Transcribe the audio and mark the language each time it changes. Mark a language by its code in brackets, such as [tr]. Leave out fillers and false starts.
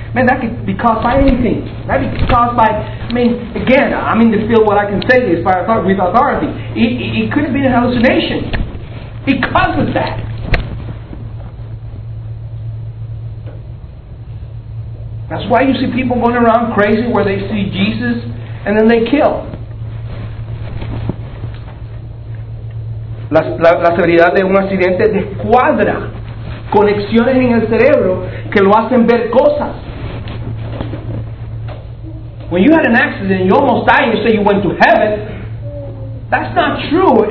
[en] Man, that could be caused by anything. That could be caused by, I mean, again, I'm in the field, what I can say is by authority, with authority. It could have been a hallucination because of that. That's why you see people going around crazy where they see Jesus and then they kill. [es] La severidad de un accidente descuadra conexiones en el cerebro que lo hacen ver cosas. [en] When you had an accident and you almost died, you say you went to heaven. That's not true.